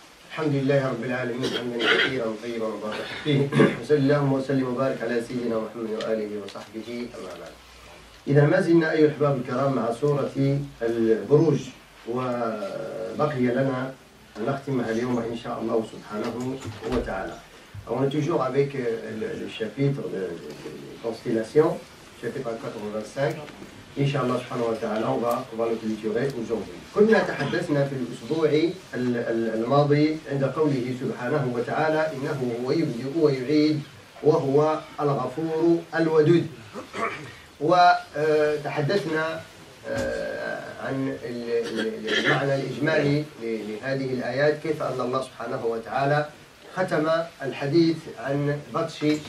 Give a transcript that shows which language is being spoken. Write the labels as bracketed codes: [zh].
[ar] الحمد لله رب العالمين، حمدا كثيرا طيبا مباركا فيه، وصلى الله وسلم وبارك على سيدنا محمد واله وصحبه، اما بعد. اذا ما زلنا ايها الاحباب الكرام مع سوره البروج، وبقي لنا ان نختمها اليوم ان شاء الله سبحانه وتعالى. [fr] On est toujours avec le chapitre de Constellation, chapitre 85. Inch'Allah, subhanahu wa ta'ala, on va le clôturer aujourd'hui. Comme nous avons parlé dans l'usbou'i, le mardi, [ar] عند قوله subhanahu wa ta'ala, إنه هو يبدئ ويعيد وهو الغفور الودود. وتحدثنا عن المعنى الإجمالي لهذه الآيات، كيف أن الله سبحانه وتعالى ختم الحديث عن بطش